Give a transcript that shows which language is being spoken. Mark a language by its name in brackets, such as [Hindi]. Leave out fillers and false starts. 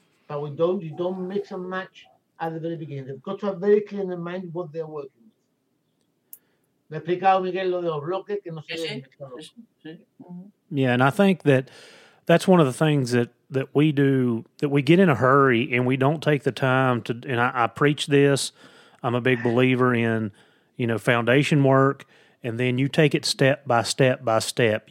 [English] But you don't mix and match at the very beginning. They've got to have very clear in their mind what they're working with. [Spanish] Me he explicado, Miguel, lo de los bloques, que no se sí. [English] Yeah, and I think that's one of the things that we do, that we get in a hurry and we don't take the time to, and I preach this, I'm a big believer in, you know, foundation work, and then you take it step by step by step.